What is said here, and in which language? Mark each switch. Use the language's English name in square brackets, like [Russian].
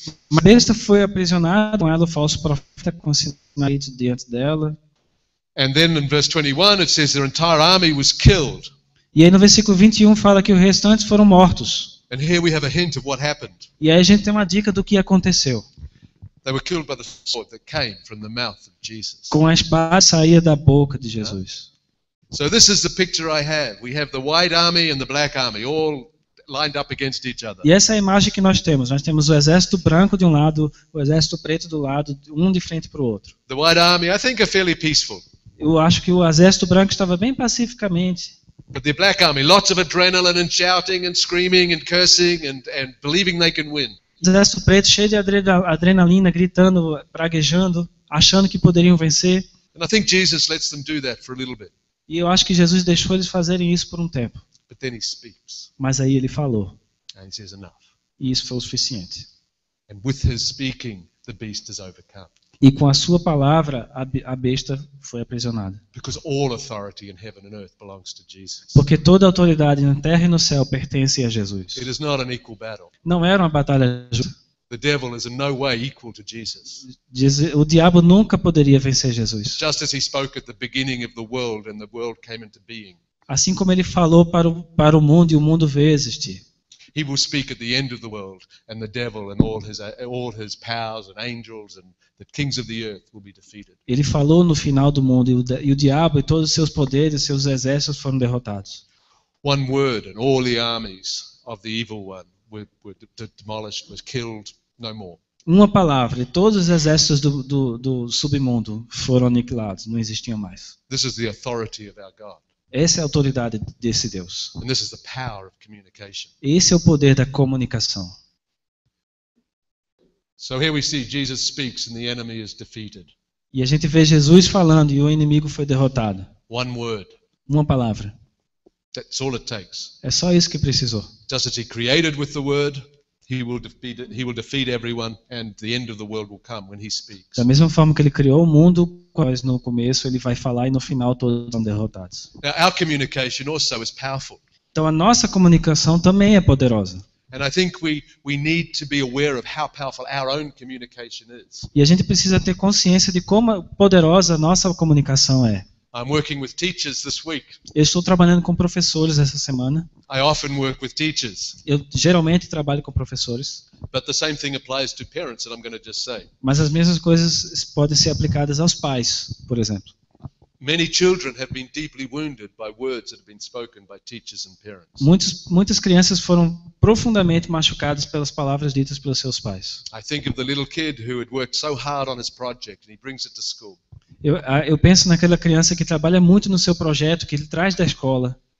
[Portuguese] Uma besta foi aprisionada, com ela o falso profeta com sinais diante dela. [English] And then in verse 21 it says their entire army was killed. [Portuguese] E aí no versículo 21 fala que o restante foram mortos. [English] And here we have a hint of what happened. [Portuguese] E aí a gente tem uma dica do que aconteceu. [English] They were killed by the sword that came from the mouth of Jesus. [Portuguese] Com a espada saía da boca de Jesus. [English] So this is the picture I have. We have the white army and the black army all lined up against each other. [Portuguese] E essa é a imagem que nós temos. Nós temos o exército branco de um lado, o exército preto do lado, um de frente para o outro. [English] The white army, I think, are fairly peaceful. [Portuguese] Eu acho que o exército branco estava bem pacificamente. [English] But the black army, lots of adrenaline and shouting and screaming and cursing and believing they can win. [Portuguese] O exército preto cheio de adrenalina, gritando, praguejando, achando que poderiam vencer. [English] And I think Jesus lets them do that for a little bit. [Portuguese] E eu acho que Jesus deixou eles fazerem isso por um tempo. [English] But then he speaks. [Portuguese] Mas aí ele falou. [English] And he says enough. [Portuguese] E isso foi o suficiente. [English] And with his speaking, the beast is overcome. [Portuguese] E com a sua palavra, a besta foi aprisionada. [English] Because all authority in heaven and earth belongs to Jesus. [Portuguese] Porque toda a autoridade na terra e no céu pertence a Jesus. [English] It is not an equal battle. [Portuguese] Não era uma batalha justa. [English] The devil is in no way equal to Jesus. [Portuguese] O diabo nunca poderia vencer Jesus. [English] Just as he spoke at the beginning of the world and the world came into being. [Portuguese] Assim como ele falou para o mundo e o mundo veio existir. [English] He will speak at the end of the world and the devil and all his powers and angels and the kings of the earth will be defeated. [Portuguese] Ele falou no final do mundo e o diabo e todos os seus poderes, seus exércitos foram derrotados. [English] One word and all the armies of the evil one were demolished, was killed, no more. [Portuguese] Uma palavra e todos os exércitos do submundo foram aniquilados, não existiam mais. [English] This is the authority of our God. [Portuguese] Essa é a autoridade desse Deus. [English] And this is the power of communication. [Portuguese] Esse é o poder da comunicação. [English] So here we see Jesus speaks and the enemy is defeated. [Portuguese] E a gente vê Jesus falando e o inimigo foi derrotado. [English] One word. [Portuguese] Uma palavra. [English] That's all it takes. [Portuguese] É só isso que precisou. [English] Just as he created with the word, he will defeat everyone and the end of the world will come when he speaks. [Portuguese] Da mesma forma que ele criou o mundo, mas no começo ele vai falar e no final todos são derrotados. [English] Now, our communication also is powerful. [Portuguese] Então a nossa comunicação também é poderosa. [English] And I think we need to be aware of how powerful our own communication is. [Portuguese] E a gente precisa ter consciência de como poderosa a nossa comunicação é. [English] I'm working with teachers this week. [Portuguese] Eu estou trabalhando com professores essa semana. [English] I often work with teachers. [Portuguese] Eu geralmente trabalho com professores. [English] But the same thing applies to parents that I'm going to just say. [Portuguese] Mas as mesmas coisas podem ser aplicadas aos pais, por exemplo. [English] Many children have been deeply wounded by words that have been spoken by teachers and parents. [Portuguese] Muitas crianças foram profundamente machucadas pelas palavras ditas pelos seus pais. [English] I think of the little kid who had worked so hard on his project and he brings it to school. [Portuguese] Eu penso naquela criança que trabalha muito no seu projeto que ele traz da escola.